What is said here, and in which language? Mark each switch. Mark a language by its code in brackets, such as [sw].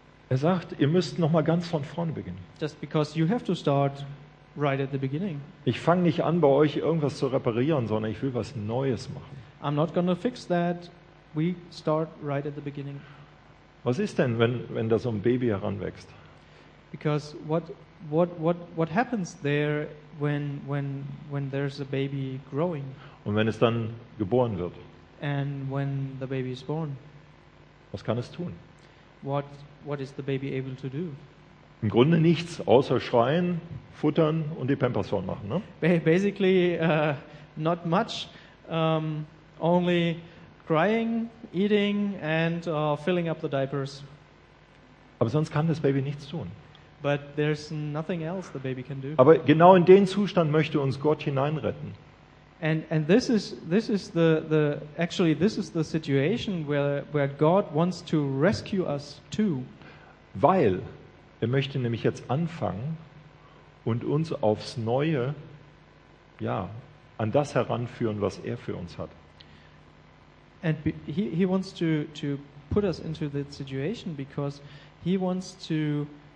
[de] Er sagt, ihr müsst nochmal ganz von vorne beginnen. [en] Just because you have to start right at the beginning. [de] Ich fange nicht an, bei euch irgendwas zu reparieren, sondern ich will was Neues machen. [en] I'm not going to fix that. We start right at the beginning. [de] Was ist denn, wenn da so ein Baby heranwächst? [en] Because what happens there when there's a baby growing? [de] Und wenn es dann geboren wird? [en] And when the baby is born? [de] Was kann es tun? [en] What is the baby able to do? [de] Im Grunde nichts, außer schreien, futtern und die Pampers voll machen, ne? [en] Basically, not much, only crying, eating and filling up the diapers. [de] Aber sonst kann das Baby nichts tun. [en] But there's nothing else the baby can do. [de] Aber genau in den Zustand möchte uns Gott hineinretten. [en] And this is the situation where God wants to rescue us too. [de] Weil er möchte nämlich jetzt anfangen und uns aufs Neue, ja, an das heranführen, was er für uns hat. [en] And he wants to put us into that situation because he wants to